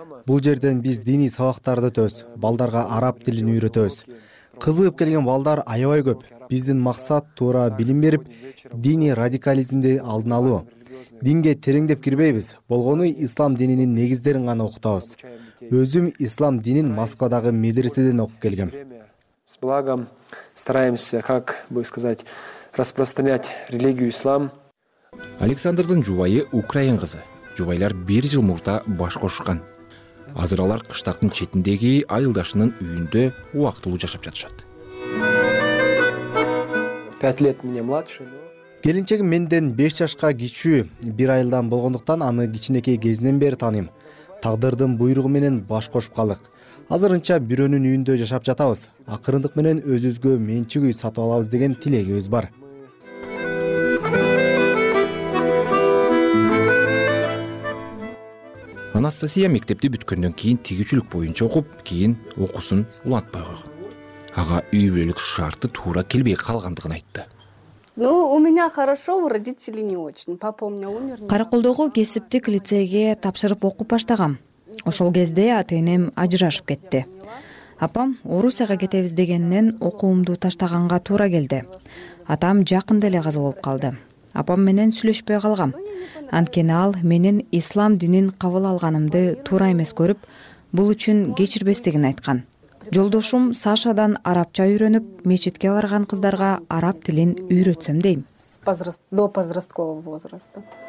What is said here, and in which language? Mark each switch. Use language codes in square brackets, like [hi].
[ky] Бул жерден биз диний сабактарды өтөбүз. Балдарга араб тилин үйрөтөбүз. Кызыгып келген балдар аябай көп. Биздин максат туура билим берип, диний радикализмди алдын алуу. Динге тереңдеп кирбейбиз. Болгону ислам дининин негиздерин гана окутабыз. Өзүм ислам динин Москвадагы медреседен окуп келгем. [ru] С благом стараемся, как бы сказать, распространять религию ислам. [ky] Александрдын жубайы украин кызы. Жубайлар бир жыл мурда баш кошушкан. Азыр алар кыштактын четиндеги айылдашынын үйүндө убактылуу жашап жатышат. [ru] 5 лет мне младше. [ky] Келинчегим менден 5 жашка кичүү, бир айылдан болгондуктан аны кичинекей кезинен бери тааныйм. Тагдырдын буйругу менен баш кошуп калдык. Азырынча бирөөнүн үйүндө жашап жатабыз. Акырындык менен өзүбүзгө менчик үй сатып алабыз деген тилегибиз бар. Анастасия мектепти бүткөндөн кийин тигүүчүлүк боюнча окуп, кийин окуусун улантпай койгон. Ага үй бүлөлүк шарты туура келбей калгандыгын айтты. [ru] Ну, у меня хорошо, у родителей не очень. Папа у меня умер. [ky] Каракулдогу кесиптик лицейге тапшырып окуп баштагам. Ошол кезде ата-энем ажырашып кетти. Апам Орусияга кетебиз дегенден окуумду таштаганга туура келди. Атам жакында эле каза болуп калды. Апам менен сүйлөшпөй калгам. Анткени ал менин ислам динин кабыл алганымды туура эмес көрүп, бул үчүн кечирбестигин айткан. Жолдошум Сашадан арабча үйрөнүп, мечитке барган кыздарга араб тилин үйрөтсөм дейм. [ru] До подросткового возраста.